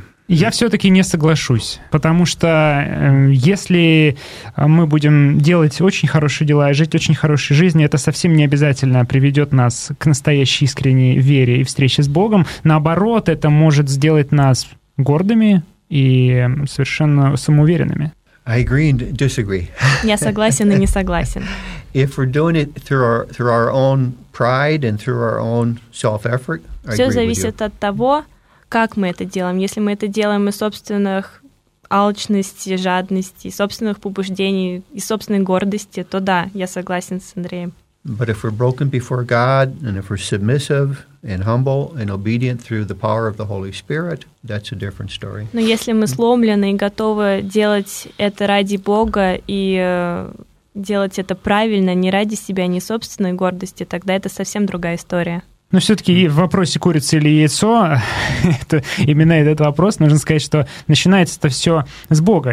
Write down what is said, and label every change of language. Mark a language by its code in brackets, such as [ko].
[ru] Я все-таки не соглашусь, потому что если мы будем делать очень хорошие дела и жить очень хорошей жизнью, это совсем не обязательно приведет нас к настоящей искренней вере и встрече с Богом. Наоборот, это может сделать нас гордыми и совершенно самоуверенными. [en] I agree and disagree. [ru] Я согласен и не согласен. [en] If we're doing it through our own pride and through our own self-effort, [ru] все зависит от того, как мы это делаем. Если мы это делаем из собственных алчностей, жадностей, собственных побуждений и собственной гордости, то да, я согласен с Андреем. [en] But if we're broken before God and if we're submissive and humble and obedient through the power of the Holy Spirit, that's a different story. [ru] Но если мы сломлены и готовы делать это ради Бога и делать это правильно, не ради себя, не собственной гордости, тогда это совсем другая история. Но все-таки в вопросе курица или яйцо, это, именно этот вопрос, нужно сказать, что начинается это все с Бога.